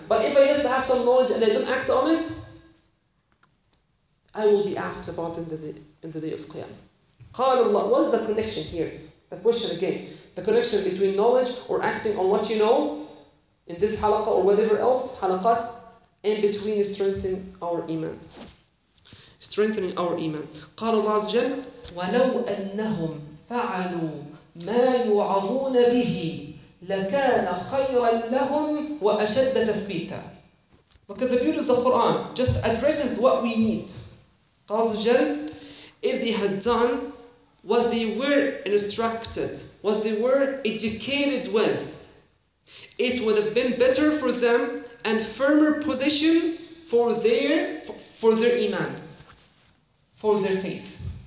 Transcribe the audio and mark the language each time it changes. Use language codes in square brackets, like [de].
[en] But if I just have some knowledge and I don't act on it, I will be asked about it in the day of Qiyam. Qala Allah, what is the connection here? The question again. The connection between knowledge or acting on what you know in this halaqah or whatever else, halaqat, and between strengthening our iman. Strengthening our iman. [ar] Qala Allah Azza wa Jal, وَلَوْ أَنَّهُمْ فَعَلُوا مَا يُعَظُونَ بِهِ لَكَانَ خَيْرًا لَهُمْ وَأَشَدَّ تَثْبِيتًا. [en] Look at the beauty of the Quran. Just addresses what we need. If they had done what they were instructed, what they were educated with, it would have been better for them and firmer position for their iman, for their faith.